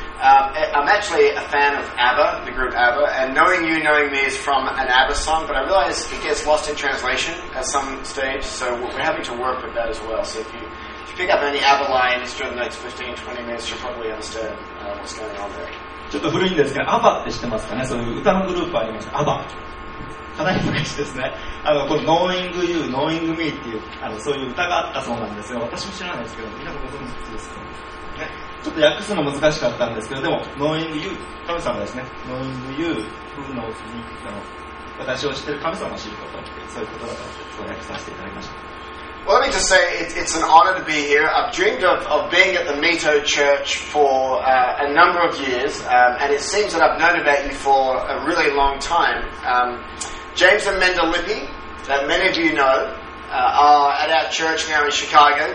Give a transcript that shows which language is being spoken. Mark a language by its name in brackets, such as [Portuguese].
[English] I'm actually a fan of ABBA, the group ABBA, and Knowing You, Knowing Me is from an ABBA song, but I realize it gets lost in translation at some stage, so we're having to work with that as well. So if you pick up any ABBA lines during the next 15-20 minutes, you'll probably understand what's going on there. [Japanese] ちょっと古いんですけど、ABBA って知ってますかね？そういう歌のグループありました。 ABBA。 かなり昔ですね。この Knowing You, Knowing Me っていう、そういう歌があったそうなんですよ。私も知らないですけど、みんなご存知ですか？ちょっと訳すの難しかったんですけど、でも Knowing You 神様ですね。 Knowing You [English] Who knows me、 [Japanese] 私を知ってる神様を知ること、そういうことだと訳させていただきました。 [English] Well, let me just say it's an honor to be here. I've dreamed of being at the Mito Church for a number of years, and it seems that I've known about you for a really long time. James and Menda Lippi, that many of you know, are at our church now in Chicago.